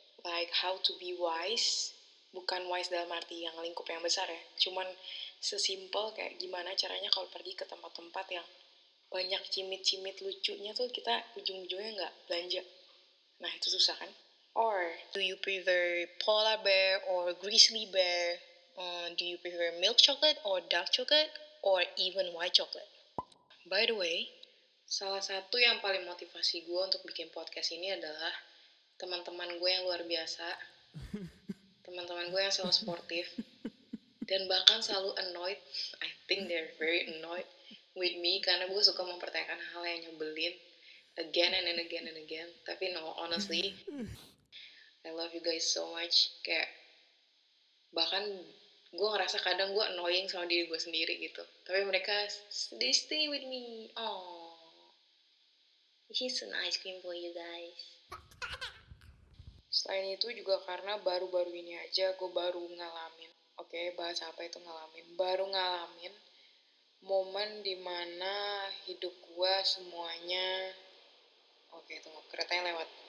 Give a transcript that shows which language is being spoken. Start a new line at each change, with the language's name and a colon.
English: Like how to be wise,
Indonesian: bukan wise dalam arti yang lingkup yang besar ya, cuman sesimpel kayak gimana caranya kalau pergi ke tempat-tempat yang banyak cimit-cimit lucunya tuh kita ujung-ujungnya gak belanja. Nah itu susah kan? Or
English: do you prefer polar bear or grizzly bear? Do you prefer milk chocolate or dark chocolate? Or even white chocolate? By the way,
Indonesian: salah satu yang paling motivasi gue untuk bikin podcast ini adalah teman-teman gue yang luar biasa. Teman-teman gue yang selalu sportif. Dan bahkan selalu annoyed.
English: I think they're very annoyed with me,
Indonesian: karena gue suka mempertanyakan hal yang nyebelin
English: again and then again and again. Tapi no, honestly, I love you guys so much.
Indonesian: Kayak bahkan gue ngerasa kadang gue annoying sama diri gue sendiri gitu, tapi mereka,
English: they stay with me.
Indonesian: Oh,
English: he's an ice cream for you guys.
Indonesian: Selain itu juga karena baru-baru ini aja gue baru ngalamin, bahas apa itu ngalamin, baru ngalamin momen dimana hidup gue semuanya, tunggu, keretanya lewat.